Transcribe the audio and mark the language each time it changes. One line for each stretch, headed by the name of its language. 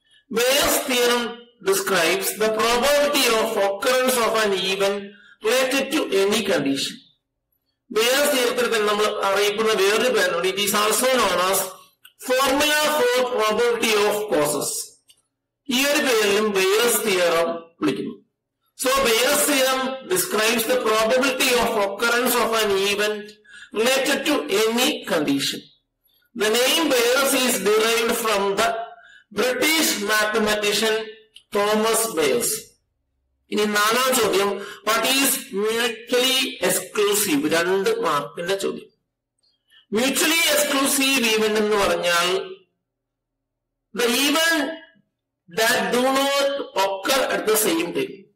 English: Bayes theorem describes the probability of occurrence of an event related to any condition.
Malayalam: Wears തിയറത്തിൽ നമ്മൾ അറിയിക്കുന്ന വേറൊരു പേരുണ്ട്,
English: It is also known as formula for probability of causes.
Malayalam: ഈ ഒരു പേരിലും wears theorem വിളിക്കുന്നു.
English: So, Bayes' theorem describes the probability of occurrence of an event related to any condition. The name Bayes is derived from the British mathematician Thomas Bayes.
Malayalam: ഇനി നാലാം ചോദ്യം,
English: What is mutually exclusive?
Malayalam: രണ്ട് മാർക്കിന്റെ ചോദ്യം. Mutually exclusive event എന്ന് പറഞ്ഞാൽ
English: The event that do not occur at the same time.